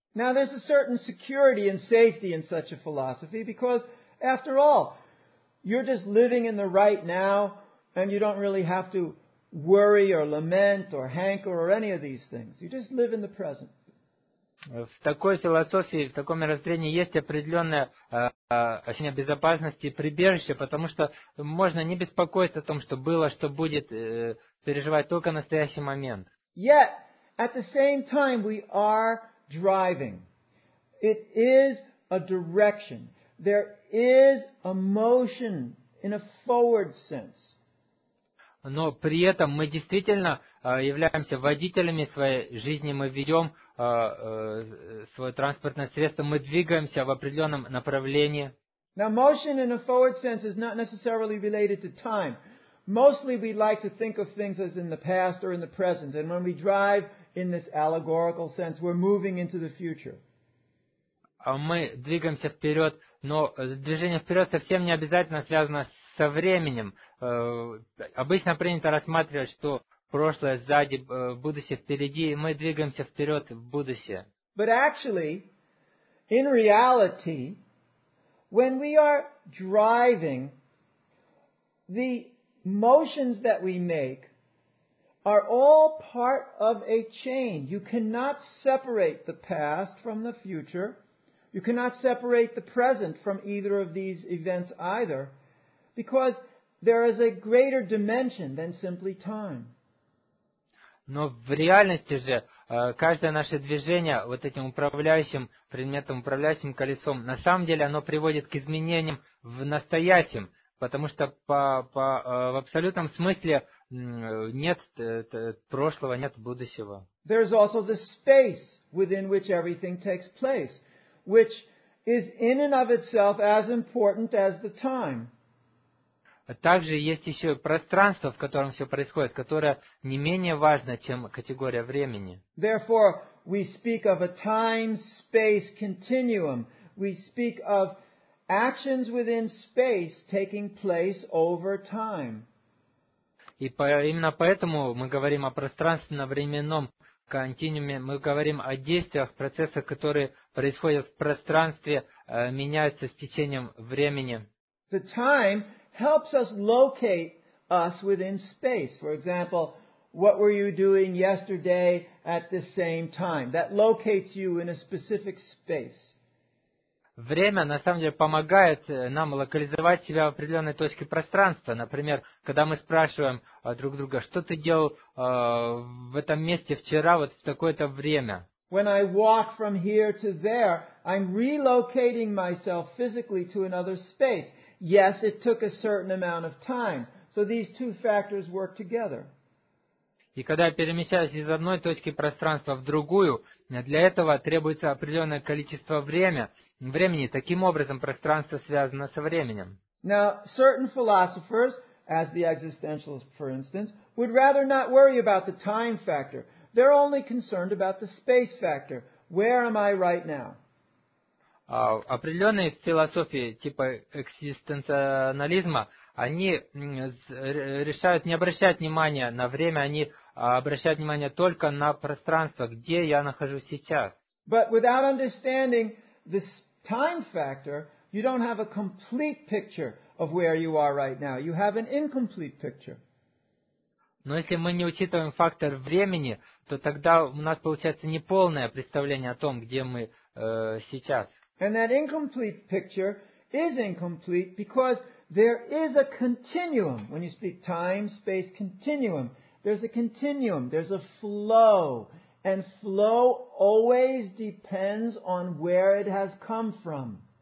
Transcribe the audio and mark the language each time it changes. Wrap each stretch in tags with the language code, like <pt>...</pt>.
<en>Now, there's a certain security and safety in such a philosophy, because, after all, you're just living in the right now, and you don't really have to worry or lament or hanker or any of these things. You just live in the present.</en> <ru>В такой философии, в таком мировоззрении есть определенное ощущение безопасности и прибежище, потому что можно не беспокоиться о том, что было, что будет, переживать только настоящий момент.</ru> <en>Yet, at the same time, we are driving. It is a direction. There is a motion in a forward sense.</en> <ru>Но при этом мы действительно являемся водителями своей жизни, мы ведем свое транспортное средство, мы двигаемся в определенном направлении.</ru> <en>Now, motion in a forward sense is not necessarily related to time. Mostly we like to think of things as in the past or in the present. And when we drive in this allegorical sense, we're moving into the future.</en> <ru>А мы двигаемся вперед, но движение вперед совсем не обязательно связано со временем. Обычно принято рассматривать, что прошлое сзади, будущее впереди, и мы двигаемся вперед в будущее.</ru> <en>But actually, in reality, when we are driving, the motions that we make are all part of a chain. You cannot separate the past from the future. You cannot separate the present from either of these events either, because there is a greater dimension than simply time.</en> <ru>Но в реальности же каждое наше движение вот этим управляющим предметом, управляющим колесом, на самом деле оно приводит к изменениям в настоящем, потому что в абсолютном смысле нет прошлого, нет будущего.</ru> <en>There is also the space within which everything takes place, which is in and of itself as important as the time.</en> <ru>Также есть еще пространство, в котором все происходит, которое не менее важно, чем категория времени.</ru> <en>Therefore, we speak of a time-space continuum. We speak of actions within space taking place over time.</en> <ru>И именно поэтому мы говорим о пространственно-временном континууме, мы говорим о действиях, процессах, которые происходят в пространстве, меняются с течением времени.</ru> <en>The time helps us locate us within space. For example, what were you doing yesterday at the same time? That locates you in a specific space.</en> <ru>Время, на самом деле, помогает нам локализовать себя в определенной точке пространства. Например, когда мы спрашиваем друг друга, что ты делал в этом месте вчера, вот в такое-то время.</ru> <en>When I walk from here to there, I'm relocating myself physically to another space. Yes, it took a certain amount of time. So these two factors work together.</en> <ru>И когда я перемещаюсь из одной точки пространства в другую, для этого требуется определенное количество времени. Таким образом, пространство связано со временем.</ru> <en>Now, certain philosophers, as the existentialists, for instance, would rather not worry about the time factor. They're only concerned about the space factor. Where am I right now?</en> <ru>Определенные философии типа экзистенциализма, они решают не обращать внимания на время, они обращают внимание только на пространство, где я нахожусь сейчас.</ru> <en>But without understanding this time factor, you don't have a complete picture of where you are right now. You have an incomplete picture.</en> <ru>Но если мы не учитываем фактор времени, то тогда у нас получается неполное представление о том, где мы сейчас.</ru> <en>And that incomplete picture is incomplete because there is a continuum. When you speak time, space, continuum, there's a continuum, there's a flow. And flow always depends on where it has come from.</en>